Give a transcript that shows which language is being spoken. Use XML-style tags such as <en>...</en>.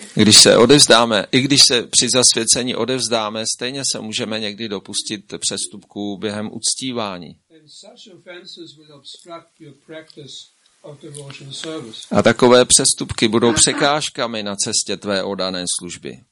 <cs>Když se odevzdáme, i když se při zasvěcení odevzdáme, stejně se můžeme někdy dopustit přestupků během uctívání.</cs> <en>And such offenses will obstruct your practice of devotional service.</en> <cs>A takové přestupky budou překážkami na cestě tvé oddané služby.</cs>